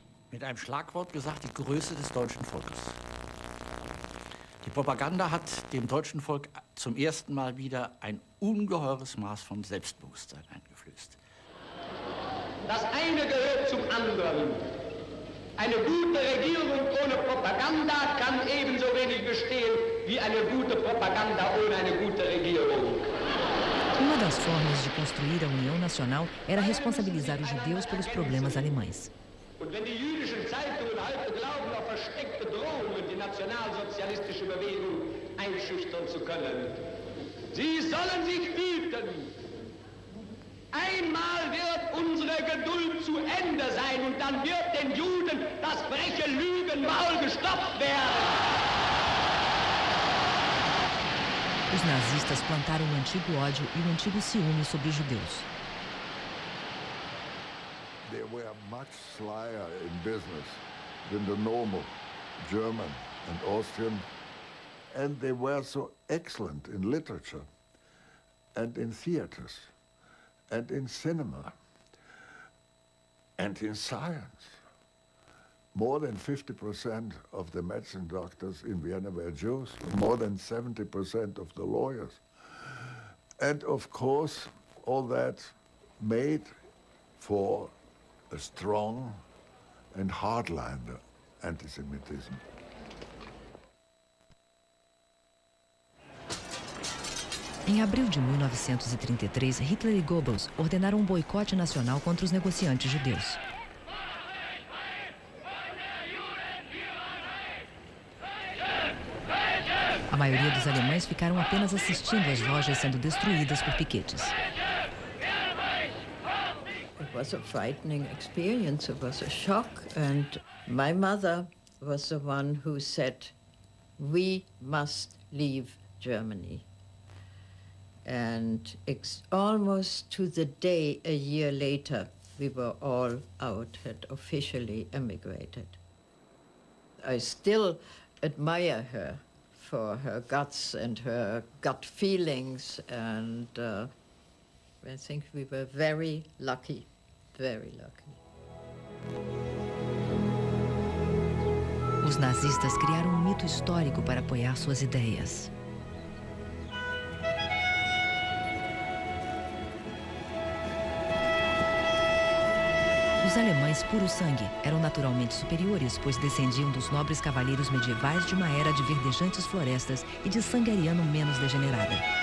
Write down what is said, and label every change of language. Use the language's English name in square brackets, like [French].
[German] Mit einem Schlagwort gesagt, die Größe des deutschen Volkes. Die Propaganda hat dem deutschen Volk zum ersten Mal wieder ein ungeheures Maß von Selbstbewusstsein eingeflößt. Das eine gehört zum anderen. Eine gute Regierung ohne Propaganda kann ebenso wenig bestehen wie eine gute Propaganda ohne eine gute Regierung. [Portuguese] Uma das formas de construir a União Nacional era responsabilizar os judeus pelos problemas alemães. [German] Und wenn die jüdischen Zeitungen heute glauben, auf versteckte Drohungen die nationalsozialistische Bewegung einschüchtern zu können, sie sollen sich hüten. Einmal wird unsere Geduld zu Ende sein und dann wird den Juden das freche Lügenmaul gestopft werden. [Portuguese] Os nazistas plantaram um antigo ódio e um antigo ciúme sobre os judeus. [English] They were much slyer in business than the normal German and Austrian, and they were so excellent in literature and in theaters. And in cinema, and in science. More than 50% of the medicine doctors in Vienna were Jews, more than 70% of the lawyers. And of course, all that made for a strong and hardliner anti-Semitism. [Portuguese] Em abril de 1933, Hitler e Goebbels ordenaram um boicote nacional contra os negociantes judeus. A maioria dos alemães ficaram apenas assistindo às lojas sendo destruídas por piquetes. [English] It was a frightening experience, it was a shock, and my mother was the one who said, "We must leave Germany." And it's almost to the day, a year later, we were all out, had officially emigrated. I still admire her for her guts and her gut feelings, and I think we were very lucky, very lucky. [Portuguese] Os nazistas criaram um mito histórico para apoiar suas ideias. Os alemães, puro sangue, eram naturalmente superiores, pois descendiam dos nobres cavaleiros medievais de uma era de verdejantes florestas e de sangue ariano menos degenerada.